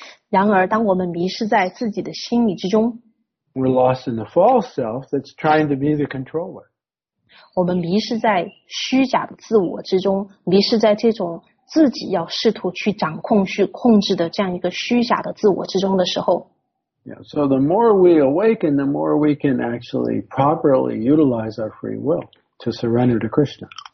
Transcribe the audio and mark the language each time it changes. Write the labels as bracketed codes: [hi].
[zh] 然而当我们迷失在自己的心理之中， [en] we're lost in the false self that's trying to be the controller. [zh] 我们迷失在虚假的自我之中，迷失在这种自己要试图去掌控、去控制的这样一个虚假的自我之中的时候。 [en] Yeah, so the more we awaken, the more we can actually properly utilize our free will to surrender to Krishna.